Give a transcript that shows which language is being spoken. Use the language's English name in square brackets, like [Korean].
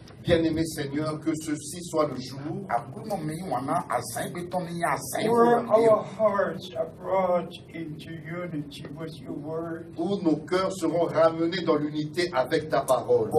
[French] Bien-aimé Seigneur, que ceci soit le jour [English] where our hearts are brought into unity with your word. [French] Où nos cœurs seront ramenés dans l'unité avec ta parole.